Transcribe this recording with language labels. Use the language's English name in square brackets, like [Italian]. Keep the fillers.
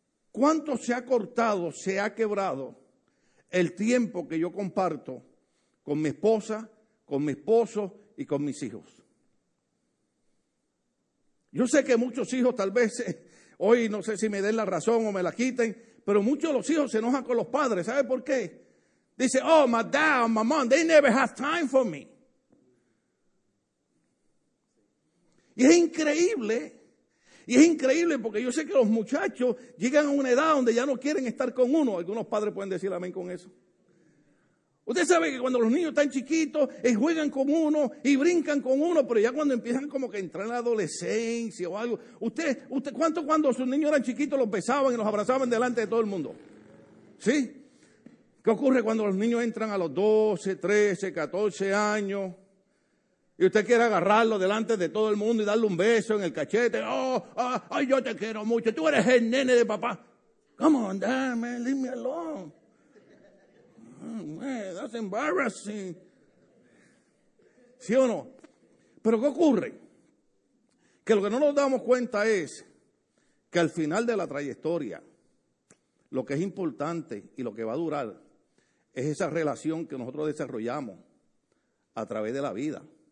[Spanish] ¿Cuánto se ha cortado, se ha quebrado el tiempo que yo comparto con mi esposa, con mi esposo y con mis hijos? Yo sé que muchos hijos tal vez hoy no sé si me den la razón o me la quiten, pero muchos de los hijos se enojan con los padres. ¿Sabe por qué? Dice, [English] oh, my dad, my mom, they never have time for me. [Spanish] Y es increíble. Y es increíble porque yo sé que los muchachos llegan a una edad donde ya no quieren estar con uno. Algunos padres pueden decir amén con eso. Usted sabe que cuando los niños están chiquitos, eh, juegan con uno y brincan con uno, pero ya cuando empiezan como que a entrar en la adolescencia o algo, usted, usted, ¿cuánto cuando sus niños eran chiquitos los besaban y los abrazaban delante de todo el mundo? ¿Sí? ¿Qué ocurre cuando los niños entran a los 12, 13, 14 años? Y usted quiere agarrarlo delante de todo el mundo y darle un beso en el cachete. Oh, oh, oh yo te quiero mucho. Tú eres el nene de papá. [English] Come on, dad, man, leave me alone. Oh, man, that's embarrassing. [Spanish] ¿Sí o no? Pero ¿qué ocurre? Que lo que no nos damos cuenta es que al final de la trayectoria, lo que es importante y lo que va a durar es esa relación que nosotros desarrollamos a través de la vida.